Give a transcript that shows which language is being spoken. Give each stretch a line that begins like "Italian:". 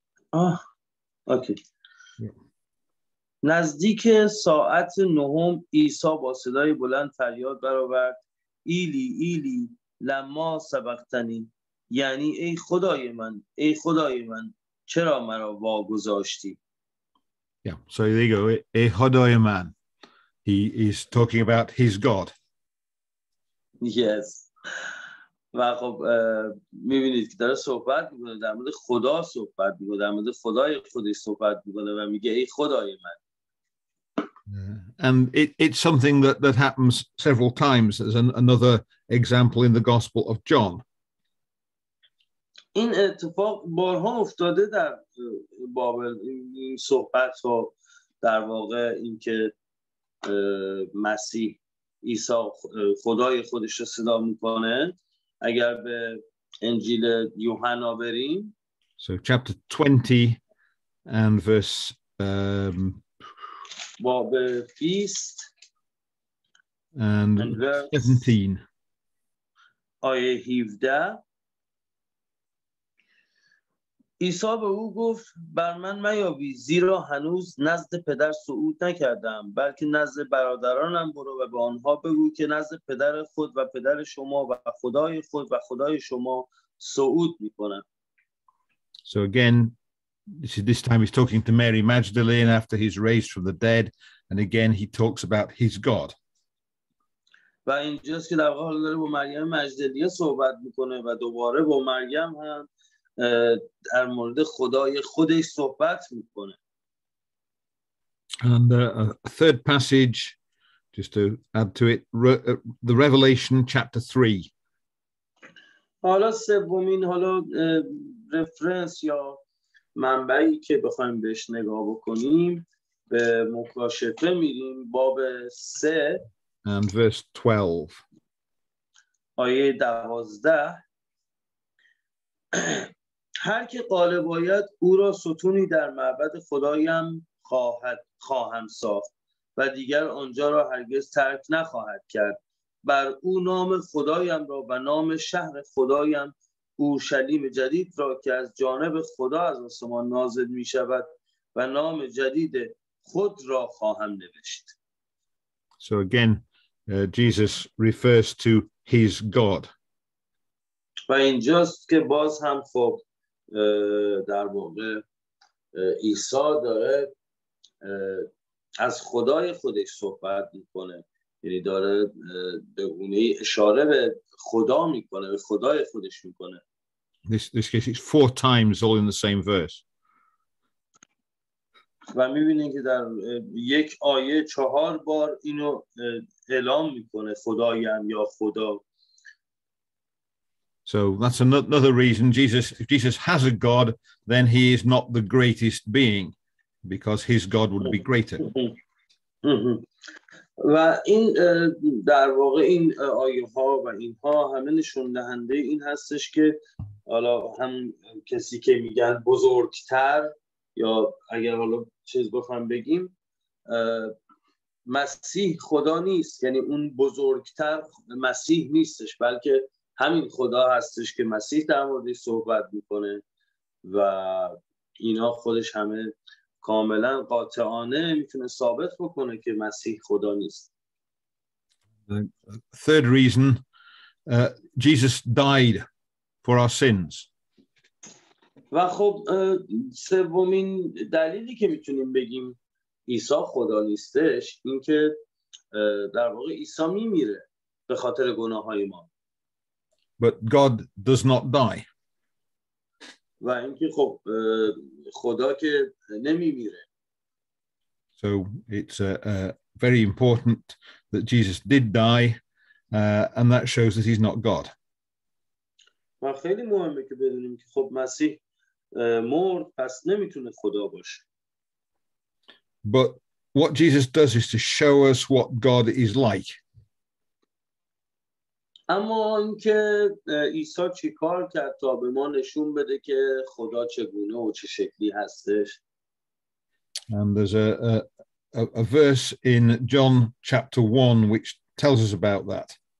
Persian: آه اوکی نزدیک ساعت نهم عیسی با صدای بلند فریاد برآورد
Aramaic: ایلی ایلی لما سبقتنی
Persian: یعنی ای خدای من ای خدای من چرا مرا واگذاشتی
English: So there you go,
Persian: ای خدای من.
English: He is talking about his God. Yes.
Persian: و خب میبینید که داره صحبت میکنه در مورد خدا صحبت میکنه در مورد خدای خودش صحبت میکنه و میگه ای خدای من.
English: And it's something that happens several times as another example in the Gospel of John.
Persian: این اتفاق بارها افتاده در بابل این صحبت ها در واقع این که مسیح عیسی خدای خودش رو صدا میکنه اگر به انجیل یوحنا بریم
English: So chapter 20 and verse
Persian: باب 20
English: and verse 17
Persian: آیه 17 عیسی به او گفت بر من میابی زیرا هنوز نزد پدر صعود نکردم بلکه نزد برادرانم برو و به آنها بگو که نزد پدر خود و پدر شما و خدای خود و خدای شما صعود میکنم.
English: So again, this time he's talking to Mary Magdalene after he's raised from the dead, and again he talks about his God.
Persian: و اینجاست که در حال داره با مریم مجدلیه صحبت میکنه و دوباره با مریم هم در مورد خدای خودش صحبت میکنه.
English: And a third passage, just to add to it, the Revelation chapter 3.
Persian: حالا سومین حالا رفرنس یا منبعی که بخوایم بهش نگاه بکنیم به مکاشفه میریم باب 3
English: and verse 12.
Persian: آیه 12 هر که غالب آید او را ستونی در معبد خدایم خواهم ساخت و دیگر آنجا را هرگز ترک نخواهد کرد بر او نام خدایم را و نام شهر خدایم اورشلیم جدید را که از جانب خدا از آسمان نازل می شود و نام جدید خود را خواهم نوشت.
English: So again, Jesus refers to his God.
Persian: و اینجاست که باز هم خب در واقع عیسی داره از خدای خودش صحبت میکنه یعنی داره به گونه اشاره به خدا میکنه به خدای خودش میکنه
English: This case is four times all in the same verse
Persian: و میبینین که در یک آیه چهار بار اینو اعلام میکنه خدایم یا خدا
English: So that's another reason Jesus, if Jesus has a God, then he is not the greatest being because his God would be greater.
Persian: و این در واقع این آیه ها و اینها همه نشون دهنده این هستش که حالا هم کسی که میگن بزرگتر یا اگر حالا چیز بخوام بگیم مسیح خدا نیست یعنی اون بزرگتر مسیح نیستش بلکه همین خدا هستش که مسیح در موردش صحبت میکنه و اینا خودش همه کاملا قاطعانه میتونه ثابت بکنه که مسیح خدا نیست.
English: The third reason, Jesus died for our sins.
Persian: و خب سومین دلیلی که میتونیم بگیم عیسی خدا نیستش این که در واقع عیسی میمیره به خاطر گناه های ما.
English: But God does not die.
Persian: و اینکه خب خدا که نمیمیره.
English: So it's very important that Jesus did die and that shows that he's not God.
Persian: و خیلی مهمه که بدونیم که خب مسیح مرد پس نمیتونه خدا باشه.
English: But what Jesus does is to show us what God is like.
Persian: اما اینکه عیسی چی کار کرد تا به ما نشون بده که خدا چگونه و چه شکلی هستش؟
English: And there's a verse in John chapter 1 which tells us about that.